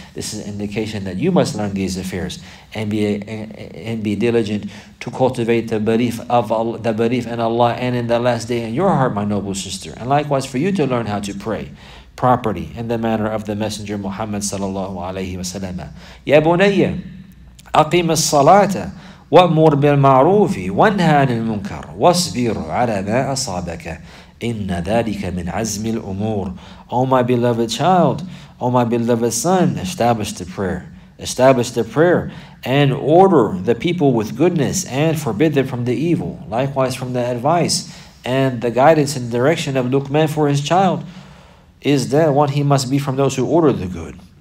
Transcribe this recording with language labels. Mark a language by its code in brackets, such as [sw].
[en] This is an indication that you must learn these affairs and be diligent to cultivate the belief of Allah, the belief in Allah and in the last day in your heart, my noble sister. And likewise for you to learn how to pray properly in the manner of the Messenger Muhammad sallallahu alayhi wa sallam. [ar] Ya bunayya, aqim as-salata وَأْمُرْ بِالْمَعْرُوفِ وَانْهَى عَنِ الْمُنْكَرِ وَاصْبِرْ عَلَى مَا أَصَابَكَ إِنَّ ذَلِكَ مِنْ عَزْمِ الْأُمُورِ. [en] Oh my beloved child, oh my beloved son, establish the prayer. Establish the prayer and order the people with goodness and forbid them from the evil. Likewise, from the advice and the guidance and direction of Luqman for his child is that one, he must be from those who order the good.